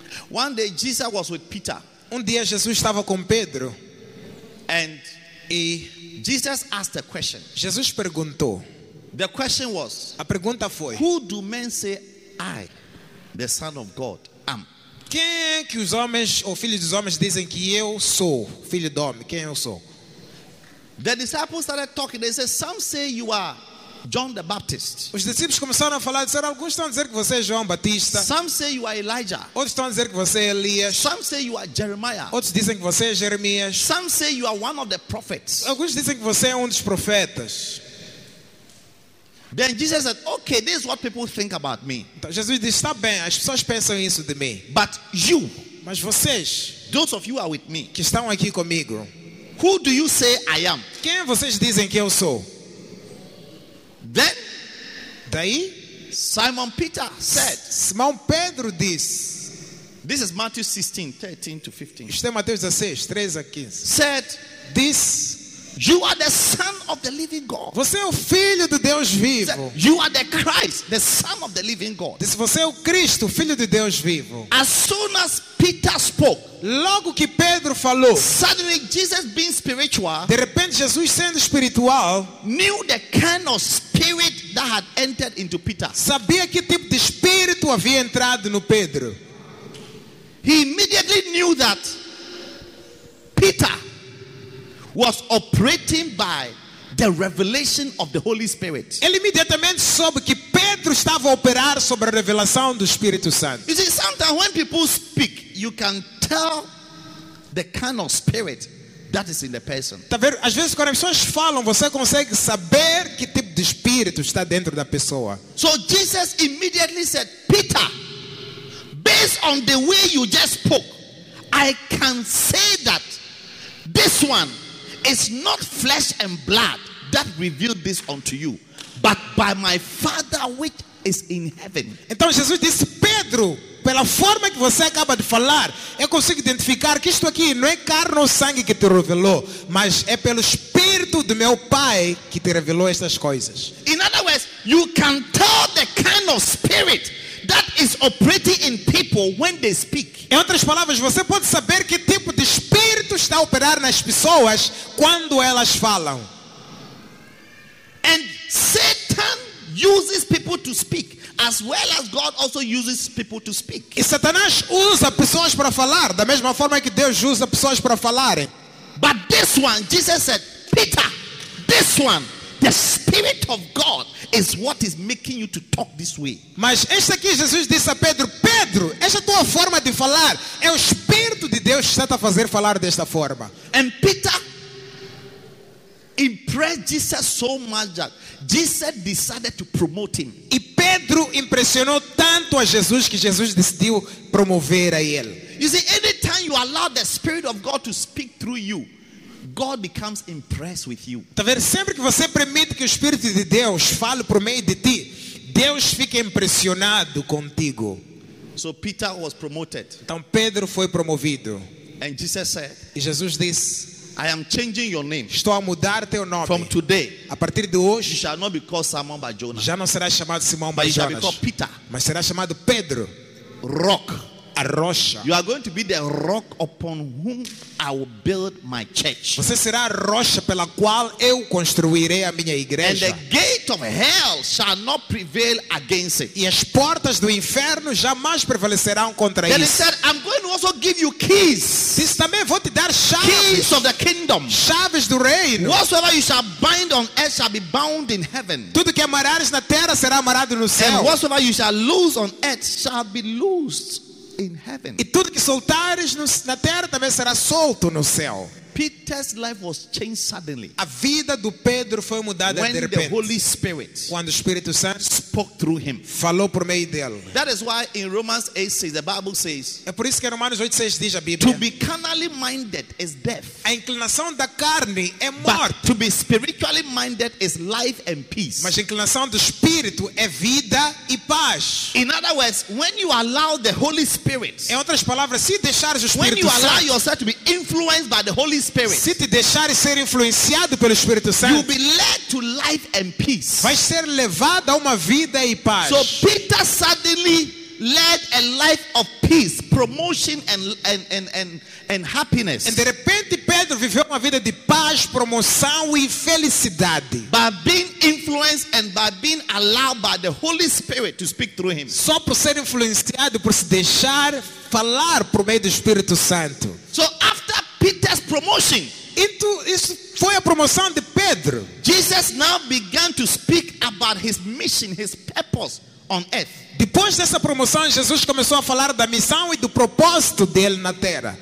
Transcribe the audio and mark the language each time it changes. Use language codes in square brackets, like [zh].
[en] One day Jesus was with Peter. [pt] Dia Jesus estava com Pedro. [en] And Jesus asked a question. [pt] Jesus perguntou. [en] The question was, [pt] a pergunta foi, [en] who do men say I, the Son of God, am? [pt] Quem é que os homens ou filhos dos homens dizem que eu sou filho do homem? Quem eu sou? [en] The disciples started talking. They said, some say you are John the Baptist. [pt] Os discípulos começaram a falar, disseram, alguns estão a dizer que você é João Batista. [en] Some say you are Elijah. [pt] Outros estão a dizer que você é Elias. [en] Some say you are Jeremiah. [pt] Outros dizem que você é Jeremias. [en] Some say you are one of the prophets. [pt] Alguns dizem que você é dos profetas. [en] Then Jesus said, okay, this is what people think about me. [pt] Então Jesus disse, está bem, as pessoas pensam isso de mim. [en] But you, [pt] mas vocês, [en] those of you are with me, [pt] que estão aqui comigo, [en] who do you say I am? [pt] Quem vocês dizem que eu sou? [en] Then, [pt] daí, [en] Simon Peter said, [pt] Simão Pedro disse, [en] this is Matthew 16, 13 to 15. [pt] Isto é Mateus 16, 13 a 15. [en] Said, this, you are the Son of the living God. [pt] Você é o Filho de Deus vivo. [en] You are the Christ, the Son of the living God. [pt] Disse, você é o Cristo, Filho de Deus vivo. [en] As soon as Peter spoke, [pt] logo que Pedro falou, [en] suddenly Jesus being spiritual, [pt] de repente Jesus sendo espiritual, [en] knew the kind of spirit that had entered into Peter. [pt] Sabia que tipo de espírito havia entrado no Pedro. [en] He immediately knew that Peter was operating by the revelation of the Holy Spirit. [pt] Ele imediatamente soube que Pedro estava a operar sobre a revelação do Espírito Santo. [en] You see, sometimes when people speak, you can tell the kind of spirit that is in the person. [pt] Tá vendo? Às vezes quando as pessoas falam, você consegue saber que tipo de espírito está dentro da pessoa. [en] So Jesus immediately said, Peter, based on the way you just spoke, I can say that this one, it's not flesh and blood that revealed this unto you, but by my Father which is in heaven. [pt] Então Jesus disse, Pedro, pela forma que você acaba de falar, eu consigo identificar que isto aqui não é carne ou sangue que te revelou, mas é pelo Espírito do meu Pai que te revelou estas coisas. [en] In other words, you can tell the kind of spirit that is operating in people when they speak. [pt] Em outras palavras, você pode saber que tipo de espírito está a operar nas pessoas quando elas falam. [en] And Satan uses people to speak, as well as God also uses people to speak. [pt] E Satanás usa pessoas para falar, da mesma forma que Deus usa pessoas para falar. [en] But this one, Jesus said, Peter, this one, the Spirit of God is what is making you to talk this way. [pt] Mas este aqui Jesus disse a Pedro, Pedro, esta tua forma de falar é o Espírito de Deus que está a fazer falar desta forma. [en] And Peter impressed Jesus so much that Jesus decided to promote him. [pt] E Pedro impressionou tanto a Jesus que Jesus decidiu promover a ele. [en] You see, anytime you allow the Spirit of God to speak through you, God becomes impressed with you. [pt] Tá vendo? Sempre que você permite que o Espírito de Deus fale por meio de ti, Deus fica impressionado contigo. [en] So Peter was promoted. [pt] Então Pedro foi promovido. [en] And Jesus said, [pt] e Jesus disse, [en] I am changing your name. [pt] Estou a mudar teu nome. [en] From today, [pt] a partir de hoje, [en] you shall not be called Simon by Jonah. [pt] Já não será chamado Simão by Jonas. Mas será chamado Pedro. [en] Rock. [pt] a rocha. [en] You are going to be the rock upon whom I will build my church. [pt] Você será a rocha pela qual eu construirei a minha igreja. [en] And the gate of hell shall not prevail against it. [pt] E as portas do inferno jamais prevalecerão contra [en] then [pt] isso. [en] Then he said, I'm going to also give you keys. [pt] Diz também, vou te dar chaves. [en] Keys of the kingdom. [pt] Chaves do reino. [en] Whatsoever you shall bind on earth shall be bound in heaven. [pt] Tudo que amarrares na terra será amarrado no céu. [en] And whatsoever you shall loose on earth shall be loosed in heaven. [pt] E tudo que soltares na terra também será solto no céu. [en] Peter's life was changed suddenly. [pt] A vida do Pedro foi mudada [en] when [pt] de repente. [en] The Holy Spirit [pt] quando o Espírito Santo [en] spoke through him. [pt] Falou por meio dele. [en] That is why in Romans 8:6 the Bible says. [pt] É por isso que em Romanos 8:6 diz a Bíblia. [en] To be carnally minded is death. [pt] A inclinação da carne é morte. [en] But to be spiritually minded is life and peace. [pt] Mas a inclinação do espírito é vida e paz. [en] In other words, when you allow the Holy Spirit. [pt] Em outras palavras, se deixares o Espírito [en] when you [pt] Santo, [en] allow yourself to be influenced by the Holy Spirit. [pt] Se te deixares ser influenciado pelo Espírito Santo, [en] you'll be led to life and peace. [pt] Vai ser levado a uma vida e paz. [en] So Peter suddenly led a life of peace, promotion and happiness. [pt] E de repente Pedro viveu uma vida de paz, promoção e felicidade. [en] By being influenced and by being allowed by the Holy Spirit to speak through him. [pt] Só por ser influenciado, por se deixar falar por meio do Espírito Santo. [en] So after Peter's promotion. [pt] Into isso foi a promoção de Pedro. [en] Jesus now began to speak about his mission, his purpose on earth. [pt] Depois dessa promoção, Jesus começou a falar da missão e do propósito dele na terra.